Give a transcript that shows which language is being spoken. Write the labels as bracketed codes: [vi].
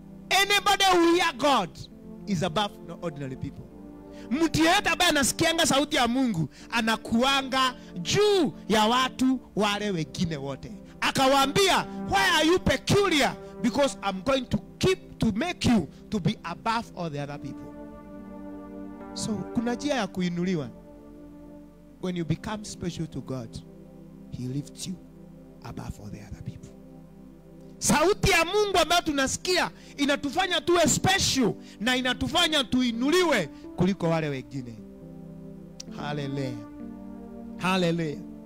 [en] Anybody who hear God is above no ordinary people. [sw] Mtu yeyote ambaye anasikianga sauti ya Mungu anakuanga juu ya watu wale wengine wote. Akawaambia, [en] why are you peculiar? Because I'm going to keep to make you to be above all the other people. [sw] So kuna njia ya kuinuliwa. [en] When you become special to God, He lifts you above all the other people. [sw] Sauti ya Mungu ambayo tunasikia inatufanya tuwe special na inatufanya tuinuliwe kuliko wale wengine. Hallelujah. Hallelujah.